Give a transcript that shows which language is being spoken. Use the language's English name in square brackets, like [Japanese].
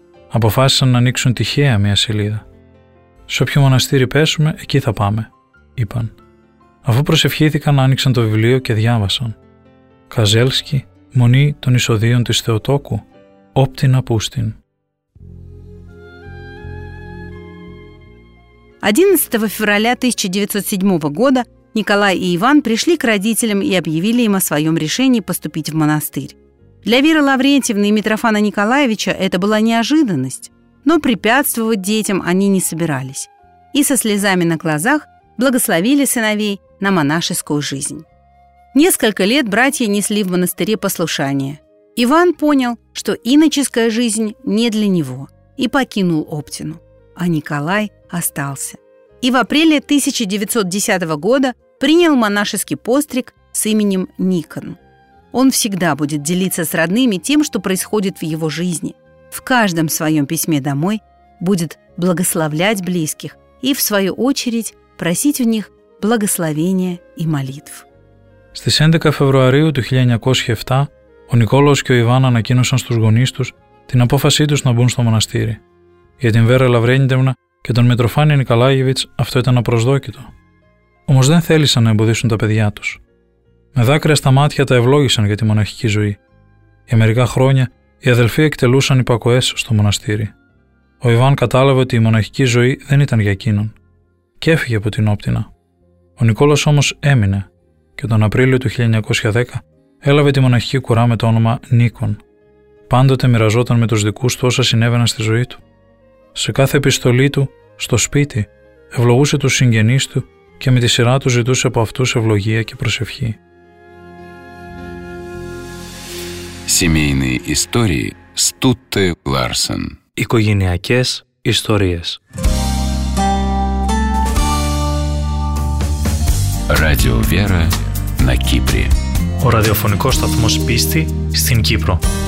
[Greek] Αποφάσισαν να ανοίξουν τυχαία μια σελίδα. «Σε όποιο μοναστήρι πέσουμε, εκεί θα πάμε», είπαν. Αφού προσευχήθηκαν, άνοιξαν το βιβλίο και διάβασαν. «Καζέλσκι, Μονή των Εισοδίων της Θεοτόκου, Όπτινα Πούστιν». [Russian] 11 февраля 1907 года Николай и Иван пришли к родителям и объявили им о своем решении поступить в монастырь. Для Веры Лаврентьевны и Митрофана Николаевича это была неожиданность, но препятствовать детям они не собирались. И со слезами на глазах благословили сыновей на монашескую жизнь. Несколько лет братья несли в монастыре послушание. Иван понял, что иноческая жизнь не для него, и покинул Оптину. А Николай остался. И в апреле 1910 года принял монашеский постриг с именем Никон. Он всегда будет делиться с родными тем, что происходит в его жизни. В каждом своем письме домой будет благословлять близких и, в свою очередь, просить у них благословения и молитв. [Greek] Στις 11 Φεβρουαρίου του 1907 ο Νικόλαος και ο Ιβάν ανακοίνωσαν στους γονείς τους την απόφασή τους να μπουν στο μοναστήρι. Για την Βέρα Λαυρέγγευνα και τον Μητροφάνη Νικολάγεβιτς αυτό ήταν απροσδόκητο. Όμως δεν θέλησαν να εμποδίσουν τα παιδιά τους. Με δάκρυα στα μάτια τα ευλόγησαν για τη μοναχική ζωή. Για μερικά χρόνια οι αδελφοί εκτελούσαν υπακοές στο μοναστήρι. Ο Ιβάν κατάλαβε ότι η μοναχική ζωή δεν ήταν για εκείνον και έφυγε από την Όπτινα. Ο Νικόλαος όμως έμεινε και τον Απρίλιο του 1910 έλαβε τη μοναχική κουρά με το όνομα Νίκον. Πάντοτε μοιραζόταν με τους δικούς του όσα συνέβαιναν στη ζωή του. Σε κάθε επιστολή του, στο σπίτι, ευλογούσε τους συγγενείς του και με τη σειρά του ζητούσε από αυτούς ευλογία και προσευχή. [Russian] Семейные истории Стутте Ларсен. [Greek] Οικογενειακές ιστορίες. [Russian] Радио Вера на Кипре. [Greek] Ο ραδιοφωνικός σταθμός πίστη στην Κύπρο.